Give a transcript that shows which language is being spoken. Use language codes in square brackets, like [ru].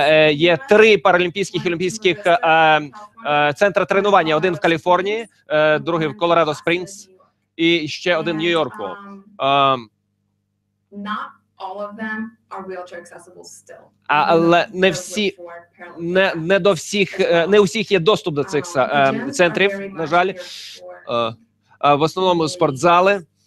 [uk] Є три паралімпійських і олімпійських центри тренування. Один в Каліфорнії, другий в Колорадо Спрінгс і ще один в Нью-Йорку. [en] not all of them are wheelchair accessible still. [uk] Але не всі, не до всіх, не у всіх є доступ до цих центрів, на жаль. В основному спортзали.